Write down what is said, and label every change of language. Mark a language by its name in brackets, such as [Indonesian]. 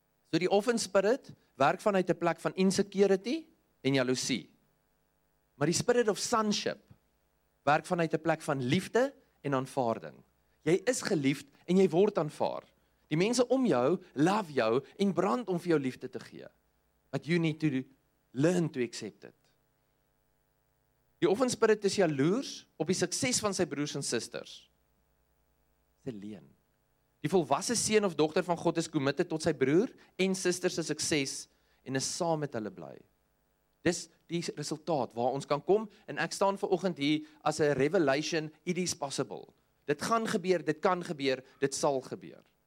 [Afrikaans] So die offense spirit werk vanuit 'n plek van insecurity en jaloesie. Maar die spirit of sonship werk vanuit 'n plek van liefde en aanvaarding. Jy is geliefd en jy word aanvaar. Die mense om jou love jou en brand om vir jou liefde te gee. [English] But you need to learn to accept it. [Afrikaans] Die offense spirit is jaloers op die sukses van sy broers en susters. Dis 'n leuen. Die volwasse seun of dogter van God is committed tot sy broer en susters se sukses en is saam met hulle bly. Dis die resultaat waar ons kan kom en ek staan vanoggend hier as 'n revelation, [English] it is possible. [Afrikaans] Dit gaan gebeur, dit kan gebeur, dit sal gebeur.